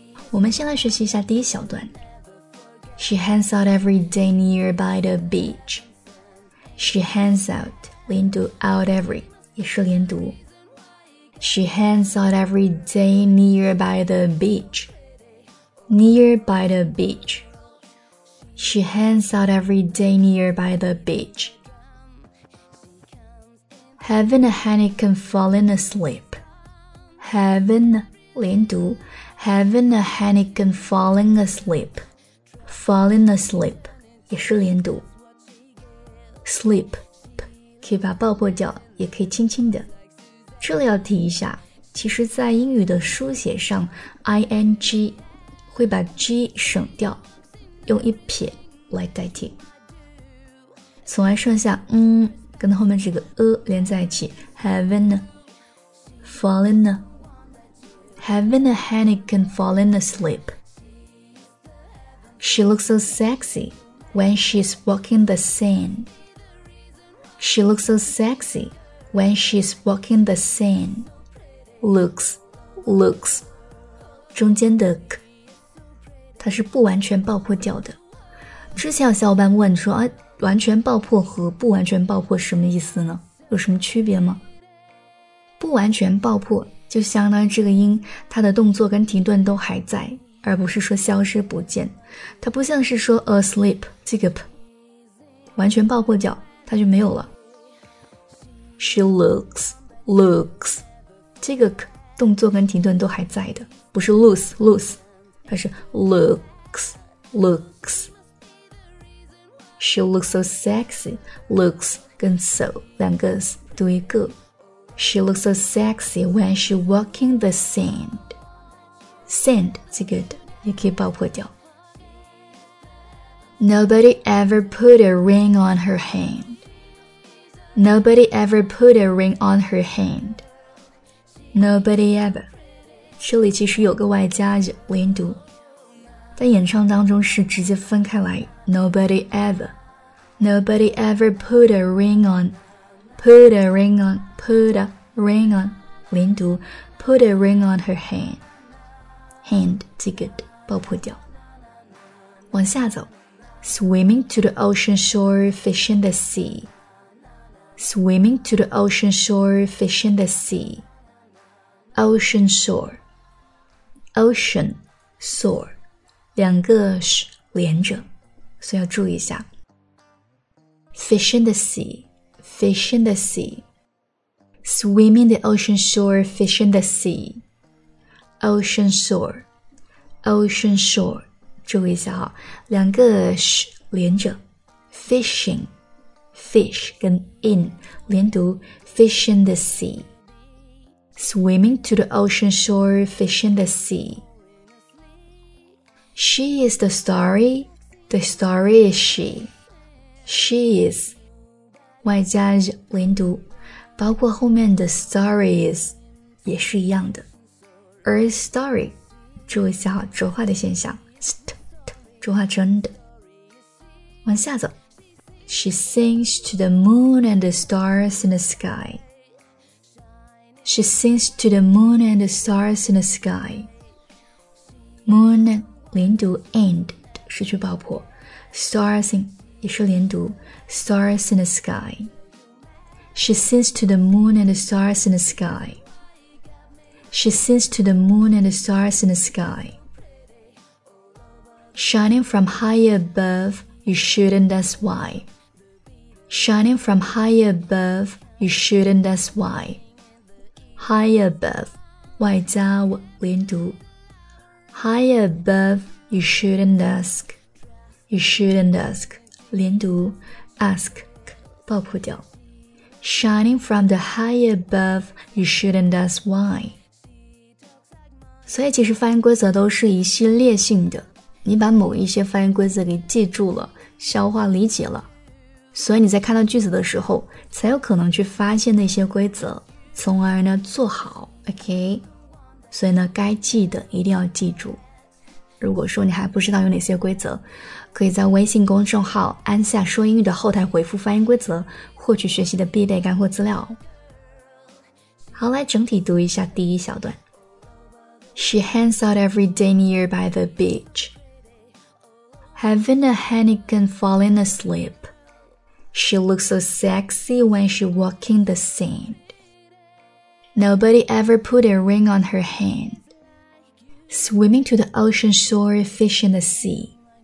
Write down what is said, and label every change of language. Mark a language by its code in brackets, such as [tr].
[zh] 我们先来学习一下第一小段。 [en] She hangs out every day nearby the beach. She hangs out [zh] 连读 [en] out every [zh] 也是连读。 [en] She hangs out every day nearby the beach. Nearby the beach. She hangs out every day nearby the beach. Having a honeycomb falling asleep. Having [zh] 连读 [en] Having a honeycomb falling asleep. Falling asleep. [zh] 也是连读。 [en] Sleep. [zh] 可以把爆破掉，也可以轻轻的。这里要提一下，其实在英语的书写上 ,ing, 会把 g 省掉，用一撇来代替。从而剩下嗯跟后面这个连在一起。 [en] Having a falling asleep. Having a honeycomb falling asleep. She looks so sexy when she's walking the sand. She looks so sexy when she's walking the sand. Looks, looks. [zh] 中间的 k, 它是不完全爆破掉的。之前有小伙伴问说，完全爆破和不完全爆破什么意思呢？有什么区别吗？不完全爆破就相当于这个音它的动作跟停顿都还在，而不是说消失不见。它不像是说 asleep, 这个 p, 完全爆破掉它就没有了。 [en] She looks, looks, [zh] 这个 k, 动作跟停顿都还在的，不是 [en] lose, lose, [zh] 它是 [en] looks, looks. She looks so sexy, looks [zh] 跟 [en] so, [zh] 两个 [en] s, [zh] 读一个。 [en] She looks so sexy when she walking the sand. [zh] Sand, 这个的也可以爆破掉。 [en] Nobody ever put a ring on her hand. Nobody ever put a ring on her hand. Nobody ever. [zh] 这里其实有个外加连读，但演唱当中是直接分开来。 [en] Nobody ever. Nobody ever put a ring on. Put a ring on. Put a. Ring on, [zh] 连读 [en] put a ring on her hand. [zh] Hand, 这个的爆破掉。往下走 [en] Swimming to the ocean shore, fishing the sea. Swimming to the ocean shore, fishing the sea. Ocean shore. Ocean, shore. [zh] 两个 sh 连着，所以要注意一下。 [en] Fishing the sea, fishing the sea. Swimming the ocean shore, fishing the sea. Ocean shore. Ocean shore. [zh] 注意一下哈，两个 sh 连着。 [en] Fishing. Fish [zh] 跟 [en] in [zh] 连读 [en] fishing the sea. Swimming to the ocean shore, fishing the sea. She is the story. The story is she. She is. [zh] 外加连读，包括后面的 story is 也是一样的。而 story, 注意一下浊化的现象。浊化真的。往下走。 [en] She sings to the moon and the stars in the sky. She sings to the moon and the stars in the sky. Moon, [zh] 连读 [en] and, [zh] 失去爆破。 [en] Stars in, [zh] 也是连读 [en] stars in the sky. She sings to the moon and the stars in the sky. She sings to the moon and the stars in the sky. Shining from high above, you shouldn't ask why. Shining from high above, you shouldn't ask why. High above, [zh] 外加连读。 [en] High above, you shouldn't ask. You shouldn't ask, [zh] 连读 [en] ask, [zh] 爆破掉。 [en] Shining from the high above, you shouldn't ask why. [zh] 所以其实发音规则都是一系列性的。你把某一些发音规则给记住了，消化理解了。所以你在看到句子的时候才有可能去发现那些规则，从而呢做好 OK。所以呢该记的一定要记住。如果说你还不知道有哪些规则，可以在微信公众号安夏说英语的后台回复发音规则，获取学习的必备干货资料。好，来整体读一下第一小段。 [en] She hangs out every day near by the beach, having a Heineken falling asleepShe looks so sexy when she walking the sand. Nobody ever put a ring on her hand. Swimming to the ocean shore, fish in the sea.